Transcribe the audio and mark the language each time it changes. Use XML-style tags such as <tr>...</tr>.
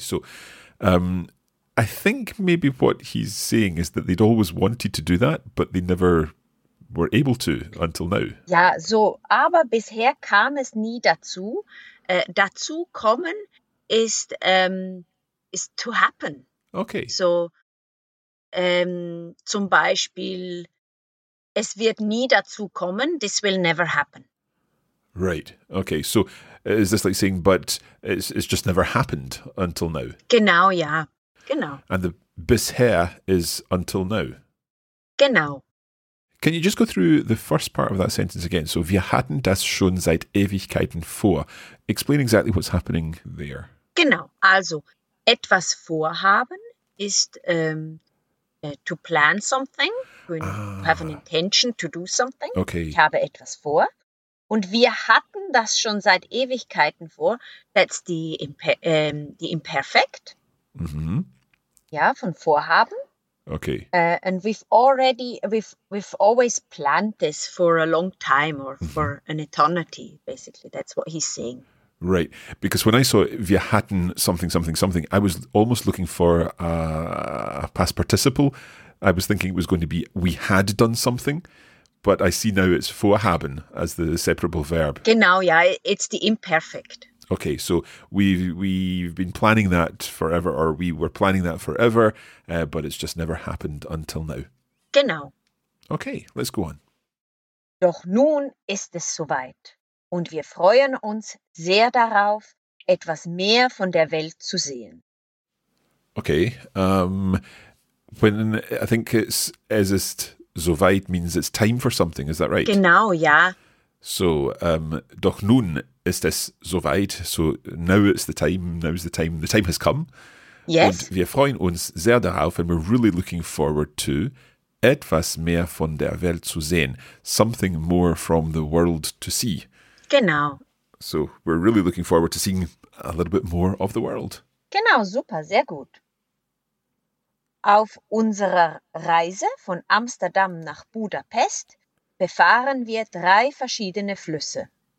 <en>So, I think maybe what he's saying is that they'd always wanted to do that, but they never were able to until now.</en> <de>Ja, so, aber bisher kam es nie dazu. Dazu kommen ist</de> <en>to happen. Okay.</en> <de>So, zum Beispiel... Es wird nie dazu kommen.</de> <en>This will never happen. Right. Okay. So is this like saying, but it's just never happened until now?</en> <de>Genau, ja. Genau.</de> <en>And the bisher is until now?</en> <de>Genau.</de> <en>Can you just go through the first part of that sentence again?</en> <de>So wir hatten das schon seit Ewigkeiten vor.</de> <en>Explain exactly what's happening there.</en> <de>Genau. Also etwas vorhaben ist...</de> <en>to plan something, when you have an intention to do something. Okay.</en> <de>Ich habe etwas vor. Und wir hatten das schon seit Ewigkeiten vor.</de> <en>That's the imperfect. Mm-hmm.</en> <de>Ja, von vorhaben.</de> <en>Okay. And we've always planned this for a long time or for an eternity, basically. That's what he's saying. Right, because when I saw</en> <de>wir hatten</de> <en>something, something, something, I was almost looking for a past participle. I was thinking it was going to be we had done something, but I see now it's vorhaben as the separable verb.</en> <de>Genau,</de> <en>yeah, it's the imperfect. Okay, so we've been planning that forever, or we were planning that forever, but it's just never happened until now.</en> <de>Genau.</de> <en>Okay, let's go on.</en> <de>Doch nun ist es soweit. Und wir freuen uns sehr darauf, etwas mehr von der Welt zu sehen.</de> <en>Okay. When I think it's</en> <de>es ist soweit</de> <en>means it's time for something, is that right?</en> <de>Genau, ja. So, doch nun ist es soweit.</de> <en>So now it's the time, now's the time, the time has come. Yes.</en> <de>Und wir freuen uns sehr darauf</de> <en>and we're really looking forward to</en> <de>etwas mehr von der Welt zu sehen.</de> <en>Something more from the world to see.</en> <de>Genau.</de> <en>So we're really looking forward to seeing a little bit more of the world.</en> <de>Genau, super, sehr gut. Auf unserer Reise von Amsterdam nach Budapest befahren wir drei verschiedene Flüsse.</de>